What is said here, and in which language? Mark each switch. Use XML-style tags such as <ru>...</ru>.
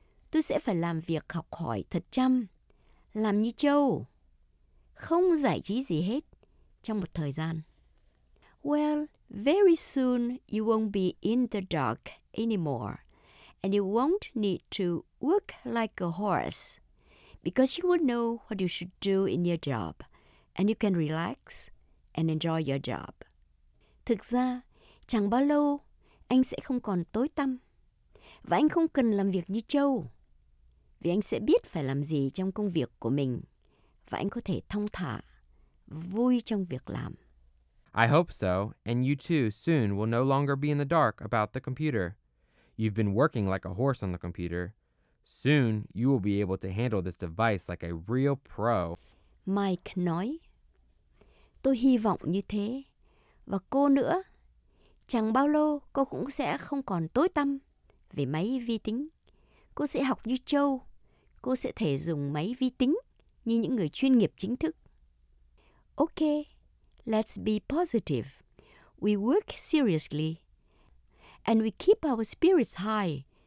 <vi>Tôi sẽ phải làm việc học hỏi thật chăm. Làm như trâu, không giải trí gì hết trong một thời gian.</vi> <en>Well, very soon you won't be in the dark anymore, and you won't need to work like a horse. because you will know what you should do in your job, and you can relax and enjoy your job.</en> <vi>Thực ra, chẳng bao lâu, anh sẽ không còn tối tăm, và anh không cần làm việc như Châu, vì anh sẽ biết phải làm gì trong công việc của mình, và anh có thể thong thả, vui trong việc làm.</vi> <en>I hope so, and you too soon will no longer be in the dark about the computer. You've been working like a horse on the computer. Soon, you will be able to handle this device like a real pro.</en> <vi>Mike nói, tôi hy vọng như thế. Và cô nữa, chẳng bao lâu cô cũng sẽ không còn tối tăm về máy vi tính. Cô sẽ học như Châu. Cô sẽ thể dùng máy vi tính như những người chuyên nghiệp chính thức.</vi> <en>Okay. Let's be positive. We work seriously and we keep our spirits high.</en>